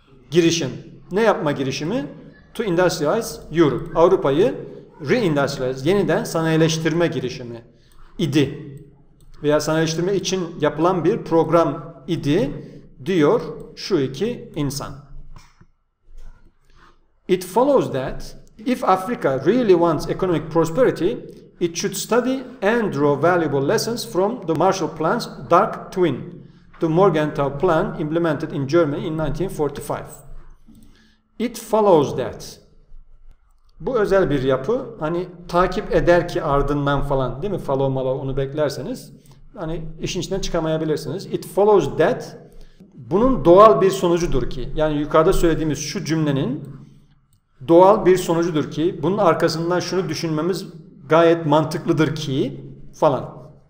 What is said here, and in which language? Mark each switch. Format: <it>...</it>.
<tr>Girişim. Ne yapma girişimi?</tr> <en>To industrialize Europe.</en> <tr>Avrupa'yı reindustrialize. Yeniden sanayileştirme girişimi idi. Veya sanayileştirme için yapılan bir program idi diyor şu iki insan.</tr> <en>It follows that if Africa really wants economic prosperity, it should study and draw valuable lessons from the Marshall Plan's dark twin, the Morgenthau Plan implemented in Germany in 1945. It follows that.</en> <tr>Bu özel bir yapı. Hani takip eder ki ardından falan, değil mi? Follow malo onu beklerseniz hani işin içinden çıkamayabilirsiniz.</tr> <en>It follows that.</en> <tr>Bunun doğal bir sonucudur ki. Yani yukarıda söylediğimiz şu cümlenin doğal bir sonucudur ki, bunun arkasından şunu düşünmemiz gayet mantıklıdır ki falan.</tr>